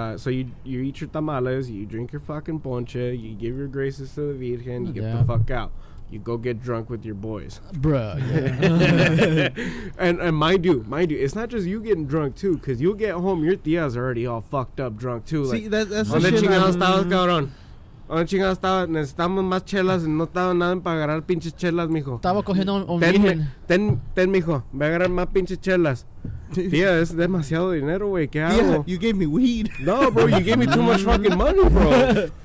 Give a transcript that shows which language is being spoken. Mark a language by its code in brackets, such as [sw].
[en] So you eat your tamales, you drink your fucking ponche, you give your graces to the Virgen, you get the fuck out. You go get drunk with your boys. Bruh, yeah. And mind you, it's not just you getting drunk, too, because you'll get home, your tías are already all fucked up drunk, too. See, like, that's the shit. [es] ¿Dónde estabas, cabrón? ¿Dónde chingados estabas? Necesitamos más chelas y no estaba nada para agarrar pinches chelas, mijo. Estaba cogiendo un virgen. Ten, mijo, voy a agarrar más pinches chelas. Tía, es demasiado dinero, güey. ¿Qué hago? [en] You gave me weed. No, bro, you gave me too much fucking money, bro.